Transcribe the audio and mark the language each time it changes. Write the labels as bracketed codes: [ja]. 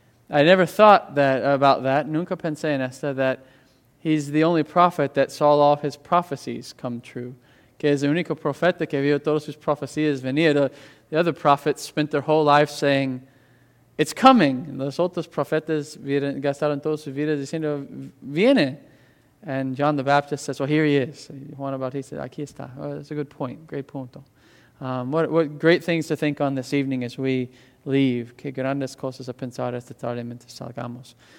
[en] I never thought about that. [es] Nunca pensé en esta, [en] that he's the only prophet that saw all his prophecies come true. [es] Que es el único profeta que vio todas sus profecías venir. [en] The other prophets spent their whole life saying, it's coming. [es] Los otros profetas gastaron todas sus vidas diciendo, viene. [en] And John the Baptist says, well, here he is. [es] Juan Bautista, aquí está. [en] Oh, that's a good point. Great punto. What great things to think on this evening as we leave. [es] Que grandes cosas a pensar esta tarde mientras salgamos.